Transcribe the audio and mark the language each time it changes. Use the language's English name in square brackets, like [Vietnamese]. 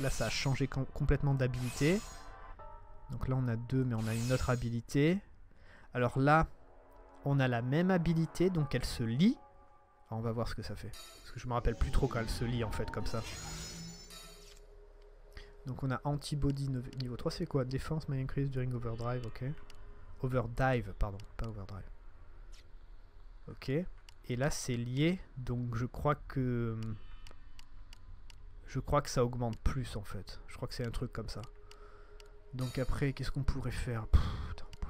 [French] Là ça a changé complètement d'habilité. Donc là on a deux, mais on a une autre habilité. Alors là. On a la même habilité, donc elle se lit. Alors on va voir ce que ça fait. Parce que je me rappelle plus trop quand elle se lit en fait, comme ça. Donc on a Antibody niveau 3, c'est quoi? [English] Défense may increase during overdrive, ok. [French] Overdive, pardon, pas overdrive. Ok. Et là c'est lié, donc je crois que ça augmente plus en fait. Je crois que c'est un truc comme ça. Donc après, qu'est-ce qu'on pourrait faire? Putain.